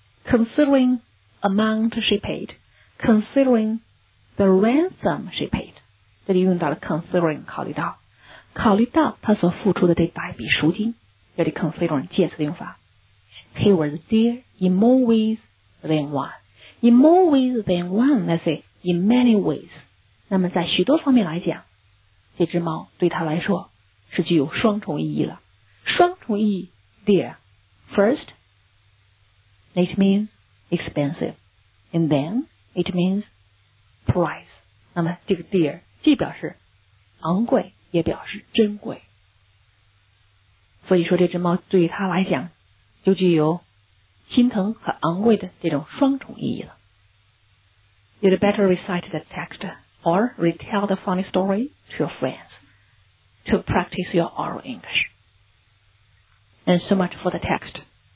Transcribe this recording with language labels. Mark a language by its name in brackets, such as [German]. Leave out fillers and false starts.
[English] Considering the amount she paid, considering the ransom she paid, [Chinese] 这里用到了 [English] considering, [Chinese] 考虑到。考虑到她所付出的这百笔赎金，这里 considering 介词的用法。 [English] He was dear in more ways than one. In more ways than one, let's say, in many ways. [Chinese] 那么在许多方面来讲，这只猫对他来说是具有双重意义了。双重意义 [English] dear. First, it means expensive. And then, it means price. [Chinese] 那么这个 dear 既表示昂贵，也表示珍贵。所以说这只猫对他来讲就具有心疼和昂贵的这种双重意义了。 [English] You'd better recite the text or retell the funny story to your friends to practice your oral English. And so much for the text.